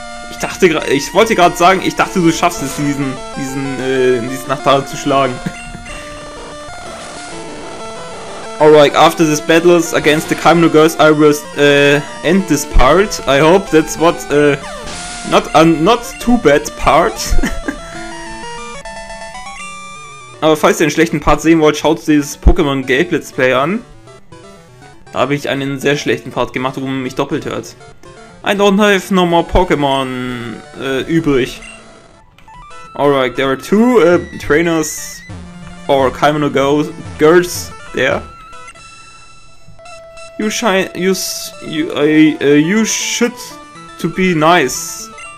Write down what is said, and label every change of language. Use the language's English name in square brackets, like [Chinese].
[German] Ich dachte, du schaffst es, diesen Nachtara zu schlagen. [English] Alright, after this battles against the Kaimono Girls, I will end this part. I hope that's what not too bad part. [German] Aber falls ihr einen schlechten Part sehen wollt, schaut dieses Pokémon Gelb Let's Play an. Da habe ich einen sehr schlechten Part gemacht, wo man mich doppelt hört. [English] I don't have no more Pokémon übrig. Alright, there are two trainers or Kaimono Girls there. You should to be nice.